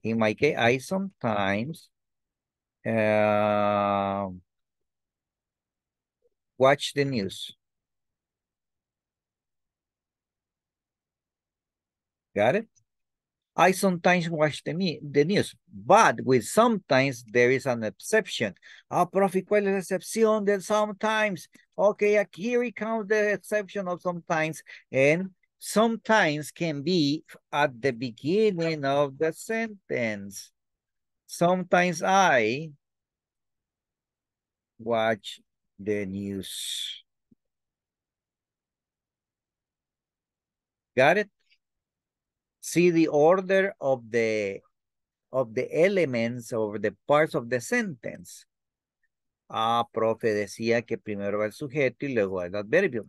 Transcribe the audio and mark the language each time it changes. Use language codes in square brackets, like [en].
[en] In my case, I sometimes watch the news. Got it? I sometimes watch the news, but with sometimes there is an exception. [es] Ah, profe, ¿cuál es la excepción del sometimes? [en] Okay, here we come the exception of sometimes. And sometimes can be at the beginning of the sentence. Sometimes I watch the news. Got it? See the order of the elements or the parts of the sentence. [es] Ah, profe decía que primero va el sujeto y luego el adverbio.